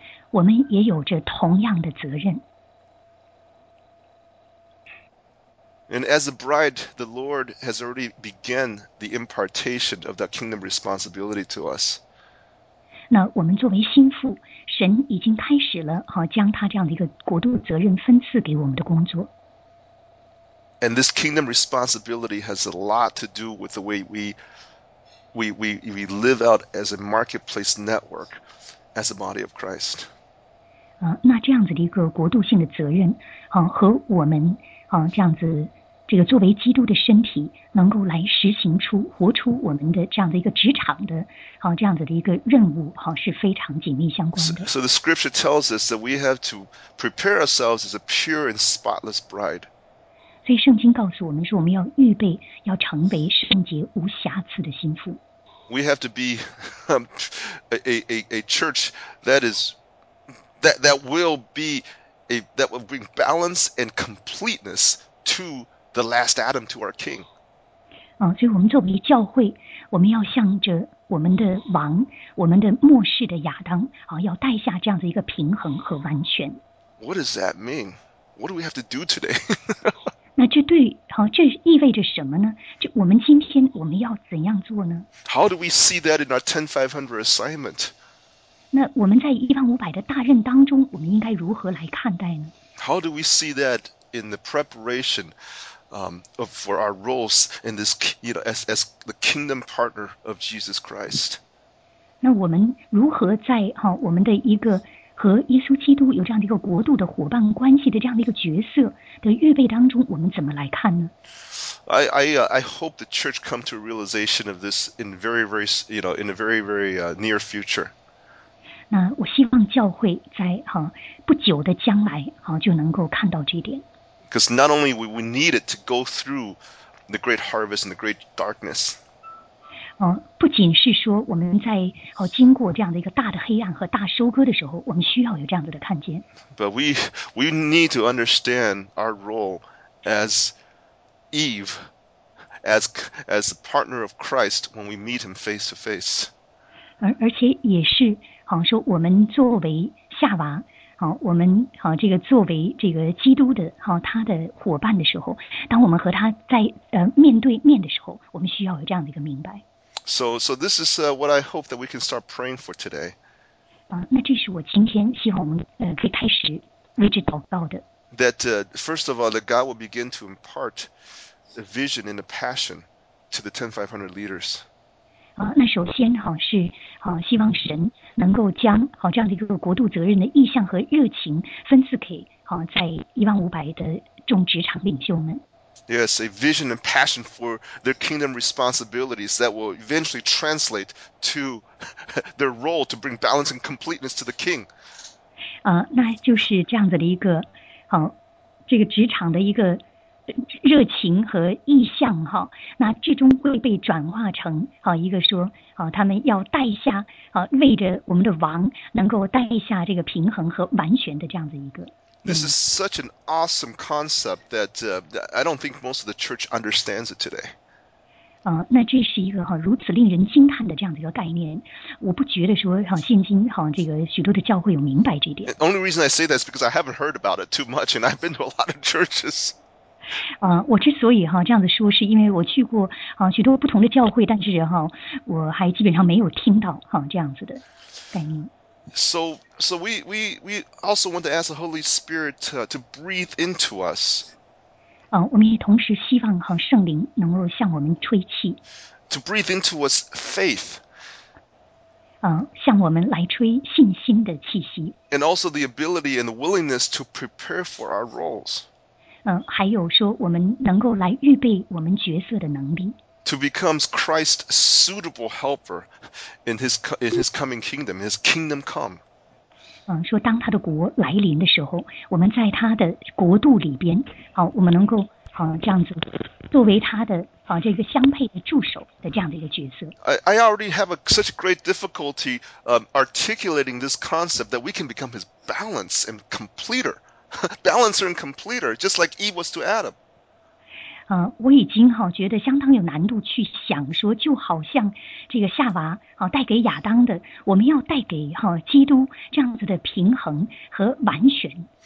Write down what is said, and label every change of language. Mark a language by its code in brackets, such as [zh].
[zh] 我们也有着同样的责任。 [en] And as a bride, the Lord has already begun the impartation of that kingdom responsibility to us. [zh] 那我们作为心腹，神已经开始了哈，将他这样的一个国度责任分赐给我们的工作。 [en] And this kingdom responsibility has a lot to do with the way we live out as a marketplace network, as a body of Christ. [zh] 那这样子的一个国度性的责任，和我们这样子这个作为基督的身体，能够来实行出活出我们的这样的一个职场的，这样子的一个任务，是非常紧密相关的。 [en] So the scripture tells us that we have to prepare ourselves as a pure and spotless bride. [zh] 所以圣经告诉我们说，我们要预备，要成为圣洁无瑕疵的心腹。 [en] We have to be a church that is that will be a that will bring balance and completeness to the last Adam, to our King. [zh] 所以我们作为教会，我们要向着我们的王，我们的末世的亚当，要带下这样的一个平衡和完全。 [en] What does that mean? What do we have to do today? [zh] 那这对，这意味着什么呢？这我们今天我们要怎样做呢？ [en] How do we see that in our 10500 assignment? [zh] 那我们在15500的大任当中，我们应该如何来看待呢？ [en] How do we see that in the preparation for our roles in this, as the kingdom partner of Jesus Christ? [zh] 那我们如何在我们的一个和耶稣基督有这样的一个国度的伙伴关系的这样的一个角色的预备当中，我们怎么来看呢？ [en] I hope the church come to a realization of this in very very in a very very near future. [zh] 那我希望教会在不久的将来就能够看到这一点。 [en] Because not only will we need it to go through the great harvest and the great darkness. [zh] 不仅是说我们在经过这样的一个大的黑暗和大收割的时候，我们需要有这样子的看见。 [en] But we need to understand our role as Eve, as a partner of Christ when we meet him face to face. [zh] 而且也是，说我们作为夏娃。我们这个作为这个基督的他的伙伴的时候，当我们和他在面对面的时候，我们需要有这样的一个明白。 [en] So this is what I hope that we can start praying for today. [zh] 那这是我今天希望我们可以开始为之祷告的。 [en] That first of all, that God will begin to impart a vision and a passion to the 10500 leaders. [zh] 那首先是希望神能够将这样的一个国度责任的意向和热情分赐给在15500的众职场领袖们。 [en] Yes, a vision and passion for their kingdom responsibilities that will eventually translate to their role to bring balance and completeness to the king. [zh] 那就是这样子的一个这个职场的一个热情和意向那最终会被转化成一个说他们要带下为着我们的王能够带下这个平衡和完全的这样子一个。 [en] This is such an awesome concept that I don't think most of the church understands it today. [zh] 那这是一个如此令人惊叹的这样的一个概念，我不觉得说现今这个许多的教会有明白这一点。 [en] The only reason I say that is because I haven't heard about it too much, and I've been to a lot of churches. [zh] 我之所以这样子说，是因为我去过许多不同的教会，但是我还基本上没有听到这样子的概念。 [en] So we also want to ask the Holy Spirit to breathe into us. [zh] 我们也同时希望圣灵能够向我们吹气。 [en] To breathe into us faith. [zh] 向我们来吹信心的气息。 [en] And also the ability and the willingness to prepare for our roles. [zh] 还有说我们能够来预备我们角色的能力。 [en] To become Christ's suitable helper in his coming kingdom, his kingdom come. [zh] 说当他的国来临的时候，我们在他的国度里边，我们能够这样子作为他的这个相配的助手的这样的一个角色。 [en] I already have such great difficulty articulating this concept that we can become his balance and completer. Balancer and completer, just like Eve was to Adam. [zh] 我已经哈、觉得相当有难度去想说，就好像这个夏娃啊、带给亚当的，我们要带给哈、基督这样子的平衡和完全。